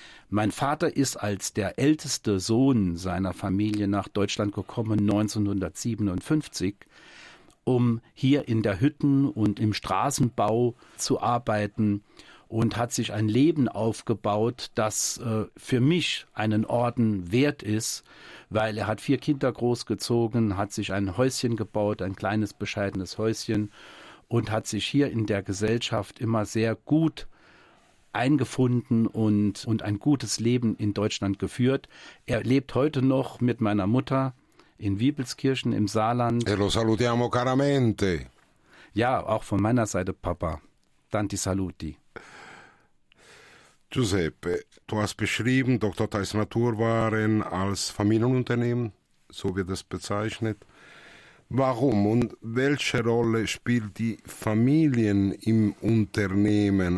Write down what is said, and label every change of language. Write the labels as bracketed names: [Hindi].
[German] Mein Vater ist als der älteste Sohn seiner Familie nach Deutschland gekommen, 1957, um hier in der Hütten- und im Straßenbau zu arbeiten und hat sich ein Leben aufgebaut, das für mich einen Orden wert ist, weil er hat 4 Kinder großgezogen, hat sich ein Häuschen gebaut, ein kleines bescheidenes Häuschen und hat sich hier in der Gesellschaft immer sehr gut eingefunden und ein gutes Leben in Deutschland geführt. Er lebt heute noch mit meiner Mutter in Wiebelskirchen im Saarland. [Italian] E lo salutiamo caramente. [German] Ja, auch von meiner Seite, Papa. [Italian] Tanti saluti. [German] Giuseppe, du hast beschrieben, Dr. Theis Naturwaren als Familienunternehmen, so wird es bezeichnet. Warum und welche Rolle spielt die Familie im Unternehmen?